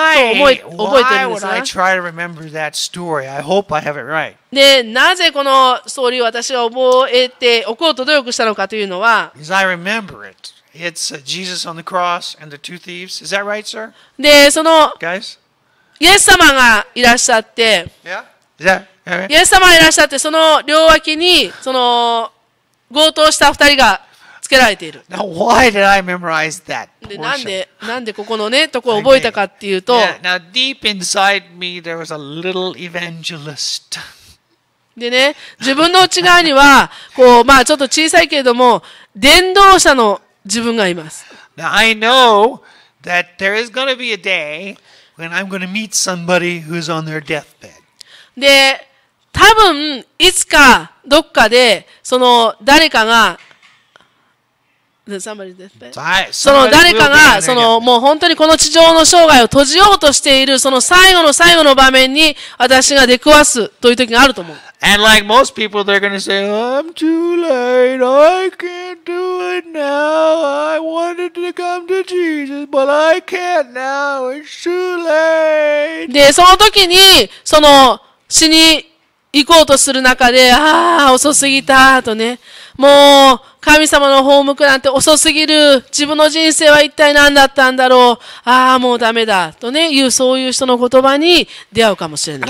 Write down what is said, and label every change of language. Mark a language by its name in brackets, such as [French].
[English] Now, why would I try to remember that story? I hope I have it right. [Japanese] で、なぜこのストーリーを私が覚えておこうと努力したのかというのは、 [English] Because I remember it. It's Jesus on the cross and the two thieves. Is that right, sir? [Japanese] で、その、 [English] guys. [Japanese] イエス様がいらっしゃって、イエス様がいらっしゃって、その両脇に、その、強盗した二人がつけられている。 [English] Now, why did I memorize that portion? [Japanese] で、なんでここのね、とこを覚えたかっていうと、 [English] Now, deep inside me, there was a little evangelist. [Japanese] でね、自分の内側には、こう、まあちょっと小さいけれども、伝道者の自分がいます。 [English] Now, I know that there is going to be a day,And I'm going to meet somebody who's on their deathbed. で、多分いつかどっかでその誰かが、その誰かがそのもう本当にこの地上の生涯を閉じようとしているその最後の最後の場面に私が出くわすという時があると思う。 And like most people, they're going to say, "I'm too late. I can't do it now. I wanted to come to Jesus, but I can't now. It's too late." [Japanese] で、その時にその死に行こうとする中で、ああ遅すぎたとね、もう神様の方向くなんて遅すぎる。自分の人生は一体何だったんだろう。ああ、もうダメだ。とね、いう、そういう人の言葉に出会うかもしれない。